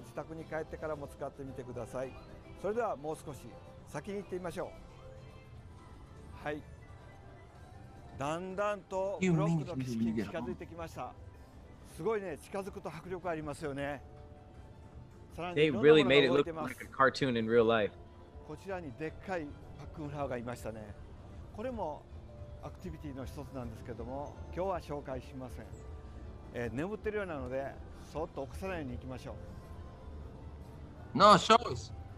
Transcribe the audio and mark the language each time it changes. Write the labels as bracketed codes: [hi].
[ja] 試しにやってみましょうか。ここのハテナブロックをパワーアップバンドの手で叩きます。コインって言いましたね。それでスマートフォンの方を見てみると、ちゃんと1枚カウントされましたね。この感じでこのバンドを使ってエリア内のいろんなところに隠されている秘密を見つけてください。バンドは全部で6種類あります。さらにこのバンドは実はアミーボの機能もついているので、自宅に帰ってからも使ってみてください。それではもう少し先に行ってみましょう。はい。だんだんとブロックの景色に近づいてきました。すごいね。近づくと迫力ありますよね。さらに [en] They really made it look like a cartoon in real life. [ja] こちらにでっかいパックンフラワーがいましたね。これもアクティビティの一つなんですけども、今日は紹介しません。眠ってるようなので、そっと起こさないように行きましょう。 [en] No, show us.